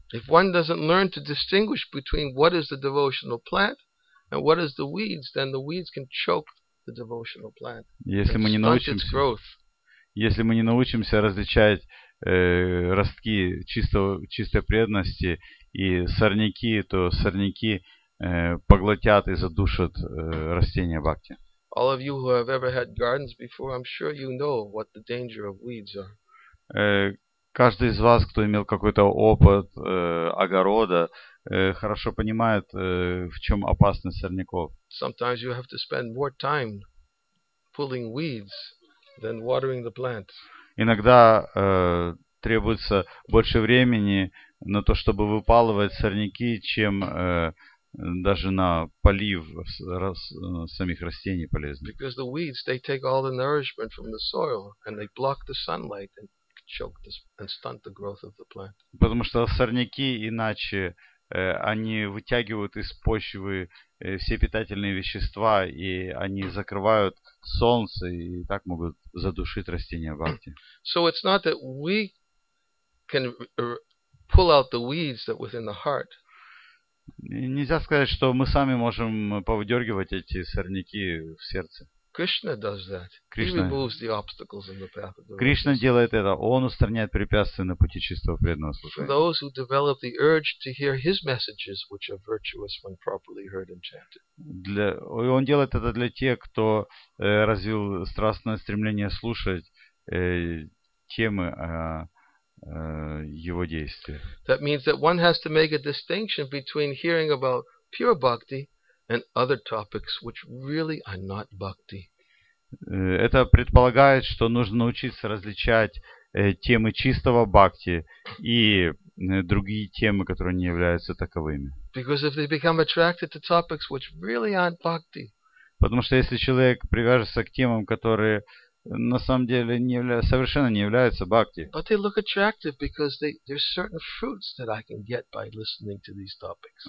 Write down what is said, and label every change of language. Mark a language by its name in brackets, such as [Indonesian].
[English] If one doesn't learn to distinguish between what is the devotional plant and what is the weeds, then the weeds can choke the devotional plant. [Russian] Если мы не научимся, различать ростки чистой преданности и сорняки, то сорняки поглотят и задушат растения бхакти. [English] All of you who have ever had gardens before, I'm sure you know what the danger of weeds are. [Russian] Каждый из вас, кто имел какой-то опыт огорода, хорошо понимает, в чем опасность сорняков. [English] Sometimes you have to spend more time pulling weeds than watering the plant. [Russian] Иногда требуется больше времени на то, чтобы выпалывать сорняки, чем даже на полив самих растений полезных. [English] Because the weeds, they take all the nourishment from the soil and they block the sunlight and choke the, and stunt the growth of the plant. [Russian] Потому что сорняки иначе они вытягивают из почвы все питательные вещества, и они закрывают солнце, и так могут задушить растения бхакти. [English] So it's not that we can pull out the weeds that within the heart. [Russian] Нельзя сказать, что мы сами можем повыдергивать эти сорняки в сердце. [English] Krishna does that. Krishna. He removes the obstacles in the path of the devotees. [Russian] Krishna делает это. Он устраняет препятствия на пути чистого преданного служения. [English] For those who develop the urge to hear his messages, which are virtuous when properly heard and chanted. [Russian] Он делает это для тех, кто развил страстное стремление слушать темы его действия. [English] That means that one has to make a distinction between hearing about pure bhakti and other topics which really are not bhakti. [Russian] Это предполагает, что нужно научиться различать темы чистого бхакти и другие темы, которые не являются таковыми. [English] Because if they become attracted to topics which really aren't bhakti. [Russian] Потому что если человек привяжется к темам, которые на самом деле не являются, совершенно не являются бхакти. [English] But they look attractive because there's certain fruits that I can get by listening to these topics.